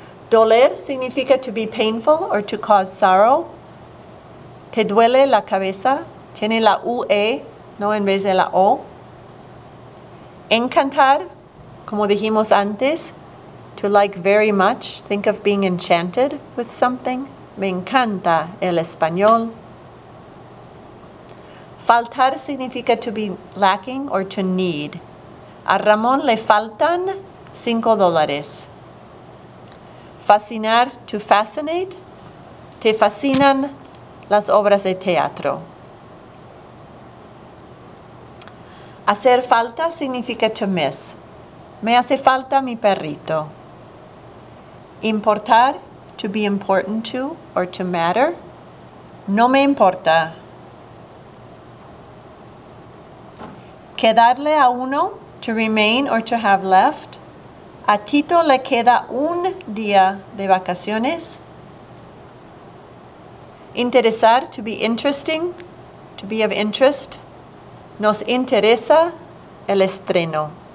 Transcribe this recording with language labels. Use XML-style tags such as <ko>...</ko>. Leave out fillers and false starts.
<en>Doler significa to be painful or to cause sorrow.</en> <es>Te duele la cabeza, tiene la UE, no en vez de la O.</es> <en>Encantar,</en> <es>como dijimos antes,</es> <en>to like very much, think of being enchanted with something.</en> <es>Me encanta el español.</es> <en>Faltar significa to be lacking or to need.</en> <es>A Ramón le faltan $5. Fascinar,</es> <en>to fascinate,</en> <es>te fascinan las obras de teatro. Hacer falta significa</es> <en>to miss.</en> <es>Me hace falta mi perrito.</es> <en>Importar, to be important to or to matter.</en> <es>No me importa.</es> <en>Quedarle a uno, to remain or to have left.</en> <es>A Tito le queda un día de vacaciones.</es> <en>Interesar, to be interesting, to be of interest.</en> <es>Nos interesa el estreno.</es>